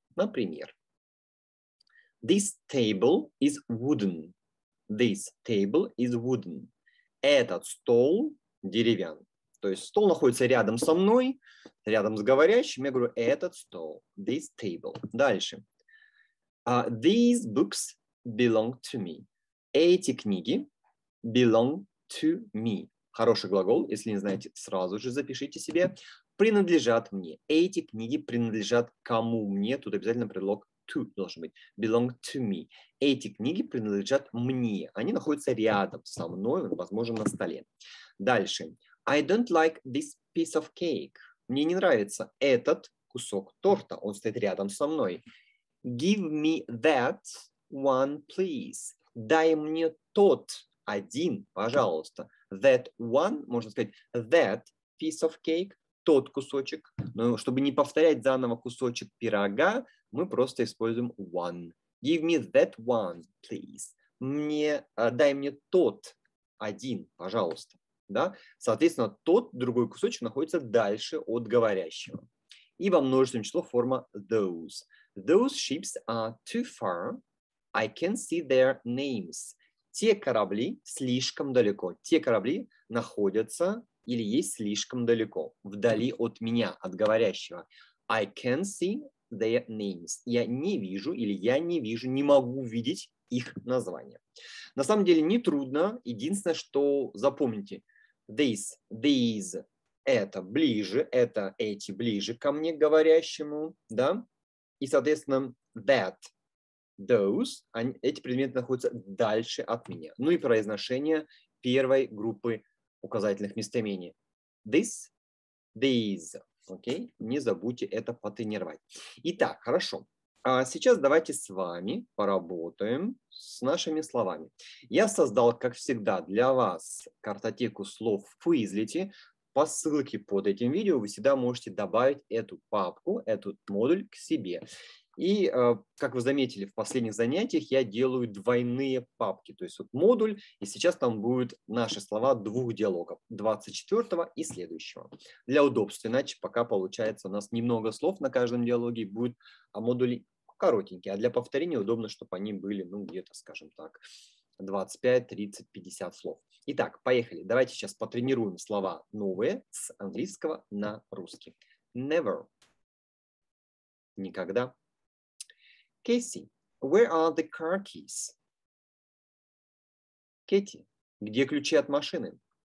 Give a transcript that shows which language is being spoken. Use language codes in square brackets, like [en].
[ru] Например. [en] This table is wooden. This table is wooden. [ru] Этот стол деревянный. То есть стол находится рядом со мной, рядом с говорящим. Я говорю, этот стол, [en] this table. [ru] Дальше. [en] These books belong to me. [ru] Эти книги [en] belong to me. [ru] Хороший глагол, если не знаете, сразу же запишите себе. Принадлежат мне. Эти книги принадлежат кому мне? Тут обязательно предлог to должен быть. [en] Belong to me. [ru] Эти книги принадлежат мне. Они находятся рядом со мной, возможно, на столе. Дальше. [en] I don't like this piece of cake. [ru] Мне не нравится этот кусок торта. Он стоит рядом со мной. [en] Give me that one, please. [ru] Дай мне тот один, пожалуйста. [en] That one, [ru] можно сказать, that [en] piece of cake, [ru] тот кусочек. Но чтобы не повторять заново кусочек пирога, мы просто используем one. [en] Give me that one, please. [ru] Мне, дай мне тот один, пожалуйста. Да? Соответственно, тот другой кусочек находится дальше от говорящего. И во множественном числе форма those. [en] Those ships are too far. I can see their names. [ru] Те корабли слишком далеко. Те корабли находятся или есть слишком далеко. Вдали от меня, от говорящего. [en] I can see their names. [ru] Я не вижу или я не вижу, не могу видеть их названия. На самом деле нетрудно. Единственное, что запомните. This, these, это ближе, это эти ближе ко мне говорящему, да? И, соответственно, that, those, они, эти предметы находятся дальше от меня. Ну и произношение первой группы указательных местоимений. [en] This, these, окей? [ru] Не забудьте это потренировать. Итак, хорошо. А сейчас давайте с вами поработаем с нашими словами. Я создал, как всегда, для вас картотеку слов в Quizlet. По ссылке под этим видео вы всегда можете добавить эту папку, этот модуль к себе. И, как вы заметили, в последних занятиях я делаю двойные папки. То есть вот модуль, и сейчас там будут наши слова двух диалогов, 24 и следующего. Для удобства, иначе пока получается у нас немного слов на каждом диалоге, будет а модули коротенькие. А для повторения удобно, чтобы они были, ну, где-то, скажем так, 25, 30, 50 слов. Итак, поехали. Давайте сейчас потренируем слова новые с английского на русский. [en] Never. [ru] Никогда. [en] Кэти, where are the car keys? [ru] Кэти, где ключи от машины?